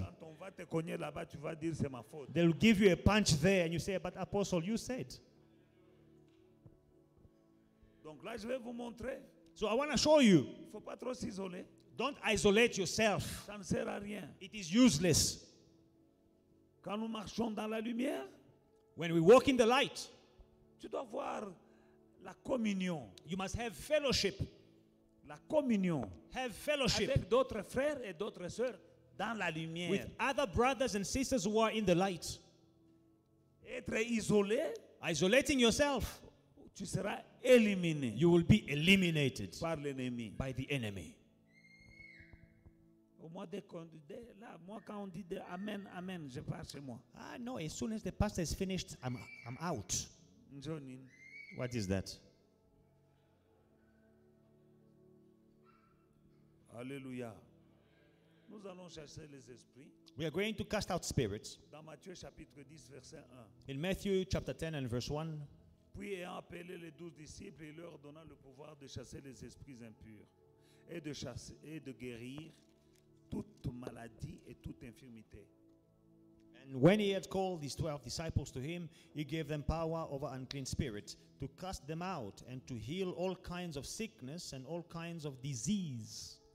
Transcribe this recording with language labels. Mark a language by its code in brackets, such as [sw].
[fr] Quand on va te cogner là-bas, tu vas dire c'est ma faute. [en] They'll give you a punch there, and you say, but apostle, you said. [fr] Donc là, je vais vous montrer. [en] So I want to show you. [fr] Faut pas trop s'isoler. [en] Don't isolate yourself. [fr] Ça ne sert à rien. [en] It is useless. [fr] Quand nous marchons dans la lumière, [en] when we walk in the light, [fr] tu dois voir la communion. [en] You must have fellowship. [fr] La communion. [en] Have fellowship. [fr] Avec d'autres frères et d'autres sœurs dans la lumière. [en] With other brothers and sisters who are in the light. [fr] Être isolé. [en] Isolating yourself. [fr] Tu seras éliminé. [en] You will be eliminated. [fr] Par l'ennemi. [en] By the enemy. [fr] Moi, quand on dit amen, amen, je pars chez moi. [en] Ah no, as soon as the pastor is finished, I'm out. Johnin. What is that? [fr] Alléluia. Nous allons chercher les esprits. [en] We are going to cast out spirits. [fr] Dans Matthieu chapitre 10, verset 1. [en] In Matthew chapter 10 and verse 1. [fr] Puis ayant appelé les 12 disciples, il leur donna le pouvoir de chasser les esprits impurs et de chasser et de guérir toute maladie et toute infirmité. [en] And when he had called his 12 disciples to him, he gave them power over unclean spirits to cast them out and to heal all kinds of sickness and all kinds of disease.